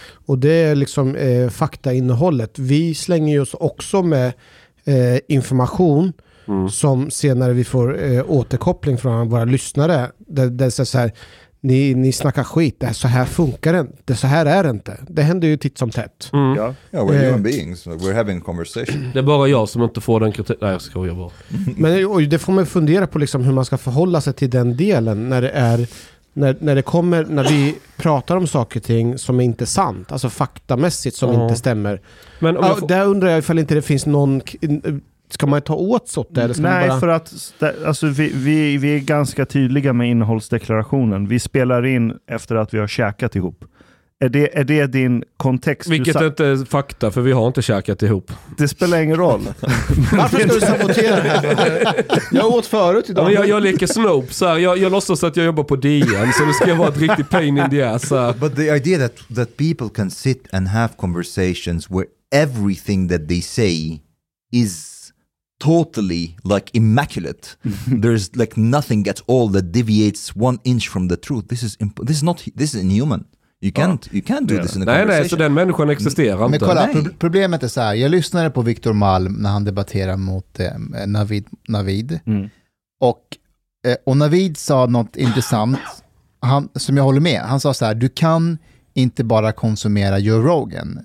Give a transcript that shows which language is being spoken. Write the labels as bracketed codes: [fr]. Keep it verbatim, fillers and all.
[sv] Och det är liksom eh, faktainnehållet. Vi slänger oss också med eh, information mm. som senare vi får eh, återkoppling från våra lyssnare. Där det är så här, ni, ni snackar skit, det här, så här funkar det inte, så här är det inte. Det händer ju titt som tätt. Mm. [en] Yeah. Yeah, we're human beings, we're having conversation. [sv] Det är bara jag som inte får den kritik. Nej, jag skojar bara. Men och det får man fundera på liksom, hur man ska förhålla sig till den delen när det är... När, när det kommer, när vi pratar om saker och ting som är inte sant, alltså faktamässigt som mm. inte stämmer. Men om jag får... Där undrar jag ifall inte det finns någon, ska man ta åt sig åt det? Eller ska Nej, man bara... för att alltså, vi, vi, vi är ganska tydliga med innehållsdeklarationen. Vi spelar in efter att vi har käkat ihop. Är det, är det din kontext? Vilket sa- inte är fakta, för vi har inte käkat ihop. Det spelar ingen roll. Varför ska du sabotera det? Jag åt förut idag. Ja, jag, jag leker Snope. Så här. Jag, jag låtsas att jag jobbar på D N, så det ska vara ett riktigt [en] pain in the ass. [sv] Så. [en] But the idea that, that people can sit and have conversations where everything that they say is totally like immaculate. There's like nothing at all that deviates one inch from the truth. This is, imp- this is, not, this is inhuman. You can't, you can't do this in a [sv] nej, [en] conversation. [sv] Nej, så den människan existerar men inte. Kolla, nej. Pro- problemet är så här. Jag lyssnade på Viktor Malm när han debatterade mot eh, Navid. Navid. Mm. Och, eh, och Navid sa något intressant han, som jag håller med. Han sa så här, du kan inte bara konsumera Joe Rogan.